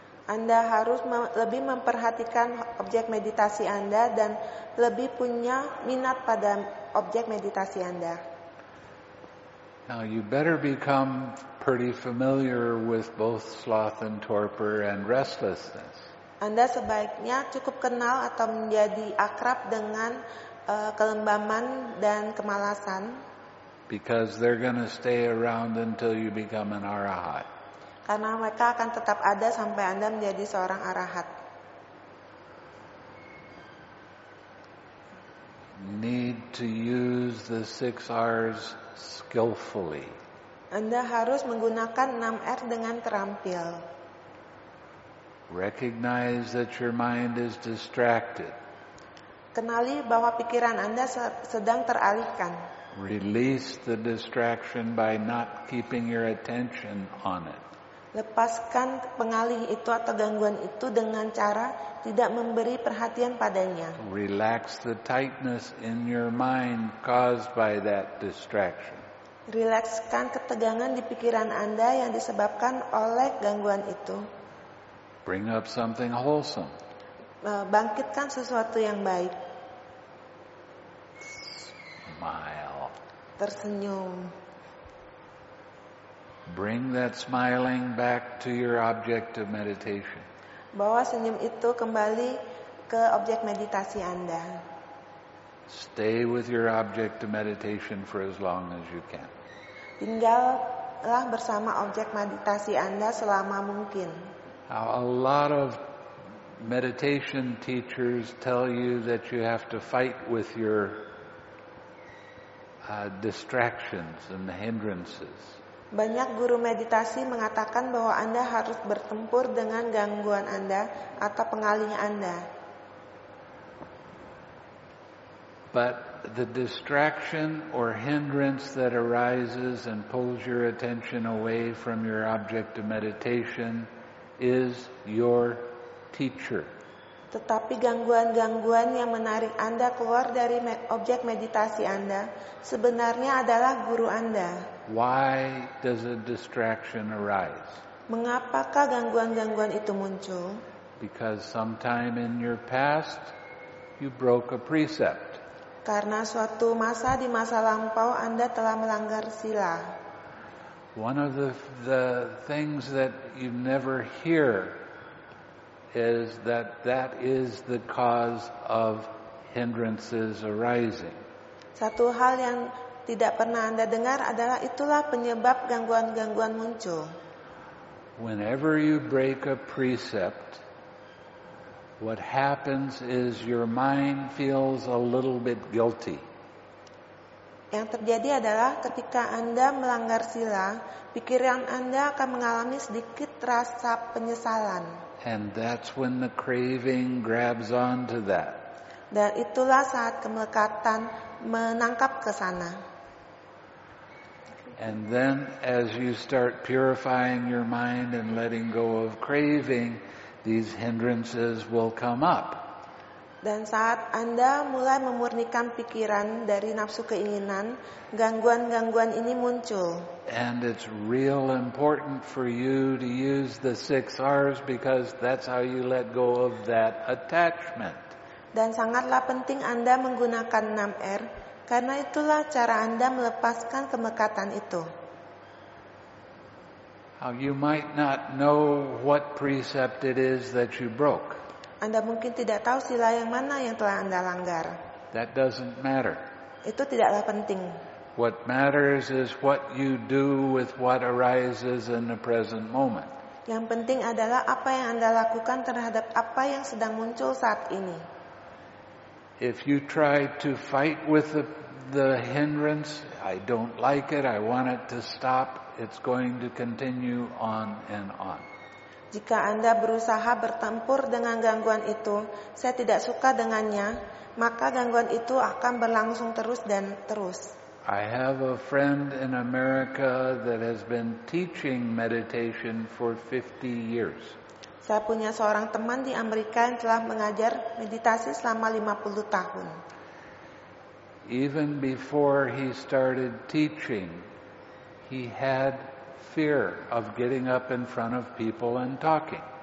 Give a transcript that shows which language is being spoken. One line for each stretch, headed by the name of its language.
Indonesian: Anda harus lebih memperhatikan objek meditasi Anda dan lebih punya minat pada objek meditasi Anda.
English: Now you better become pretty familiar with both sloth and torpor and restlessness.
Indonesian: Anda sebaiknya cukup kenal atau menjadi akrab dengan kelembaman dan kemalasan.
English: Because they're going to stay around until you become an arahat.
Indonesian: Karena mereka akan tetap ada sampai Anda menjadi seorang arahat.
English: Need to use the 6 R's skillfully.
Indonesian: Anda harus menggunakan 6 R dengan terampil.
English: Recognize that your mind is distracted.
Indonesian: Kenali bahwa pikiran Anda sedang teralihkan.
English: Release the distraction by not keeping your attention on it.
Indonesian: Lepaskan pengalih itu atau gangguan itu dengan cara tidak memberi perhatian padanya.
English: Relax the tightness in your mind caused by that distraction.
Indonesian: Relaxkan ketegangan di pikiran Anda yang disebabkan oleh gangguan itu.
English: Bring up something wholesome.
Indonesian: Bangkitkan sesuatu yang baik.
English: Smile.
Indonesian: Tersenyum.
English: Bring that smiling back to your object of meditation.
Indonesian: Bawa senyum itu kembali ke objek meditasi Anda.
English: Stay with your object of meditation for as long as you can.
Indonesian: Tinggallah bersama objek meditasi Anda selama mungkin.
English: Now, a lot of meditation teachers tell you that you have to fight with your distractions and hindrances.
Indonesian: Banyak guru meditasi mengatakan bahwa Anda harus bertempur dengan gangguan Anda atau pengalih Anda.
English: But the distraction or hindrance that arises and pulls your attention away from your object of meditation is your teacher.
Indonesian: Tetapi gangguan-gangguan yang menarik Anda keluar dari objek meditasi Anda sebenarnya adalah guru Anda.
English: Why does a distraction arise?
Indonesian: Mengapakah gangguan-gangguan itu muncul?
English: Because sometime in your past you broke a precept.
Indonesian: Karena suatu masa di masa lampau Anda telah melanggar sila.
English: One of the things that you never hear is that that is the cause of hindrances arising.
Indonesian: Satu hal yang tidak pernah Anda dengar adalah itulah penyebab gangguan-gangguan muncul.
English: Whenever you break a precept, what happens is your mind feels a little bit guilty.
Indonesian: Yang terjadi adalah ketika Anda melanggar sila, pikiran Anda akan mengalami sedikit rasa penyesalan.
English: And that's when the craving grabs onto that.
Indonesian: Dan itulah saat kemelekatan menangkap ke sana.
English: And then as you start purifying your mind and letting go of craving, these hindrances will come up.
Indonesian: Dan saat Anda mulai memurnikan pikiran dari nafsu keinginan, gangguan-gangguan ini muncul.
English: And it's real important for you to use the six R's because that's how you let go of that attachment.
Indonesian: Dan sangatlah penting Anda menggunakan 6 R, karena itulah cara Anda melepaskan kemekatan itu.
English: Now you might not know what precept it is that you broke.
Indonesian: Anda mungkin tidak tahu sila yang mana yang telah Anda langgar.
English: That doesn't matter.
Indonesian: Itu tidaklah penting.
English: What matters is what you do with what arises in the present moment.
Indonesian: Yang penting adalah apa yang Anda lakukan terhadap apa yang sedang muncul saat ini.
English: If you try to fight with the hindrance, I don't like it, I want it to stop, it's going to continue on and on.
Indonesian: Jika Anda berusaha bertempur dengan gangguan itu, saya tidak suka dengannya, maka gangguan itu akan berlangsung terus dan terus.
English: I have a friend in America that has been teaching meditation for 50 years.
Indonesian: Saya punya seorang teman di Amerika yang telah mengajar meditasi selama 50 tahun.
English: Even before he started teaching, he had fear of getting up in front of people and talking.